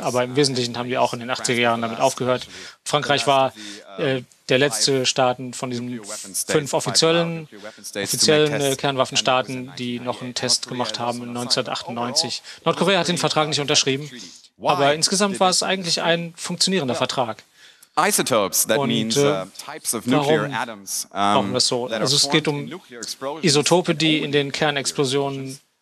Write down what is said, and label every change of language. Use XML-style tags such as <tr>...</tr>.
<de>Aber im Wesentlichen haben die auch in den 80er Jahren damit aufgehört. Frankreich war der letzte Staat von diesen fünf offiziellen Kernwaffenstaaten, die noch einen Test gemacht haben in 1998. Nordkorea hat den Vertrag nicht unterschrieben. Aber insgesamt war es eigentlich ein funktionierender Vertrag.</de> <en>Isotopes, that means types of nuclear atoms.</en> <de>Warum das so? Also es geht um Isotope, die in den Kernexplosionen</de>